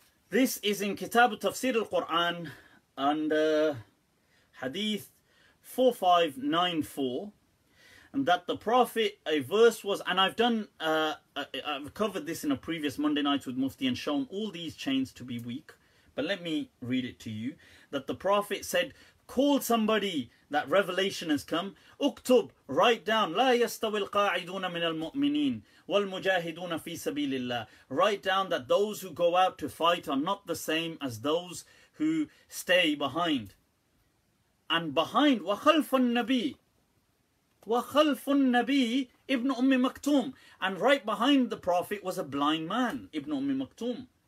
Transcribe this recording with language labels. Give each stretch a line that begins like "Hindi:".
English: This is in Kitab Tafsir al-Quran under Hadith 4594. And that the Prophet, a verse was, and I've done, I've covered this in a previous Monday night with Mufti and shown all these chains to be weak. But let me read it to you. That the Prophet said, call somebody that revelation has come. Uktub, write down.
Arabic: لا يستوي القاعدون من المؤمنين والمجاهدون في سبيل الله.
English: Write down that those who go out to fight are not the same as those who stay behind. And behind,
Arabic: وَخَلْفُ النَّبِي
English: Ibn Ummi Maktum. And right behind the Prophet was a blind man, Ibn Ummi Maktum.